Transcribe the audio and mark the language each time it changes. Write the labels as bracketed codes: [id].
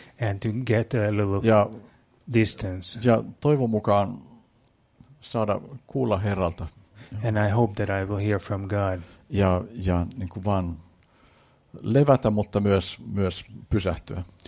[en] And to get a little distance. [fi] Ja toivon mukaan saada kuulla Herralta. [en] And I hope that I will hear from God. [fi] Ja niin kuin vaan levätä, mutta myös pysähtyä.